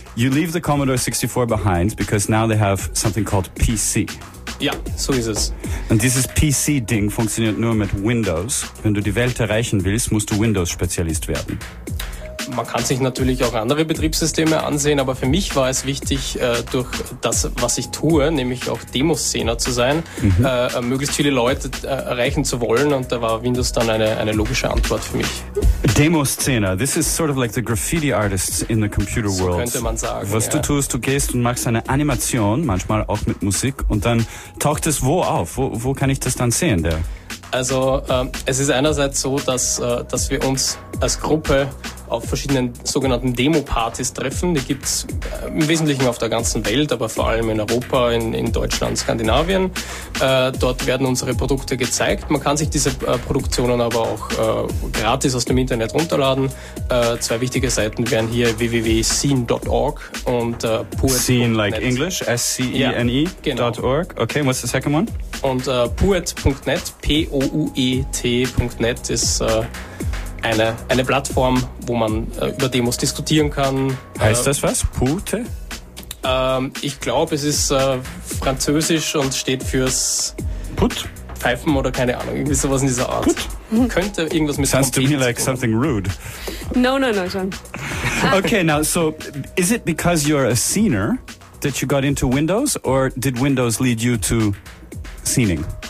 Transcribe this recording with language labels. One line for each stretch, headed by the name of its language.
English: You leave the Commodore 64 behind because now they have something called PC.
German: Ja, so ist es. Und dieses PC-Ding funktioniert nur mit Windows. Wenn du die Welt erreichen willst, musst du Windows-Spezialist werden. Man kann sich natürlich auch andere Betriebssysteme ansehen, aber für mich war es wichtig, durch das, was ich tue, nämlich auch Demoszener zu sein, möglichst viele Leute erreichen zu wollen, und da war Windows dann eine logische Antwort für mich.
English: Demoszener, this is sort of like the graffiti artists in the computer world.
German: So könnte man sagen. Was du tust, du gehst und machst eine Animation, manchmal auch mit Musik, und dann taucht es wo auf? Wo kann ich das dann sehen? Also es ist einerseits so, dass wir uns als Gruppe auf verschiedenen sogenannten Demo-Partys treffen. Die gibt es im Wesentlichen auf der ganzen Welt, aber vor allem in Europa, in Deutschland, Skandinavien. Dort werden unsere Produkte gezeigt. Man kann sich diese Produktionen aber auch gratis aus dem Internet runterladen. Zwei wichtige Seiten wären hier www.scene.org und Puet.
English: Scene like English, S-C-E-N-E,
German: genau.
English: .org. Okay, what's the second one?
German: Und Puet.net, P-O-U-E-T.net ist eine Plattform, wo man über Demos diskutieren kann. Heißt das was? Pute? Ich glaube, es ist französisch und steht fürs Put? Pfeifen oder keine Ahnung, irgendwie sowas in dieser Art. Put? Könnte irgendwas mit
English: Sounds to me like something rude. No, John. Okay, now, so is it because you're a scener that you got into Windows, or did Windows lead you to scening?